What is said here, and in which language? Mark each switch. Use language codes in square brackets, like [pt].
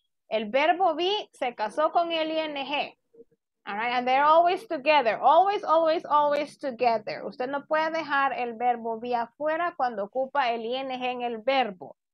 [es] El verbo be se casó con el ing. [en] All right, and they're always together, always, always, always together. [es] Usted no puede dejar el verbo be afuera cuando ocupa el ing en el verbo.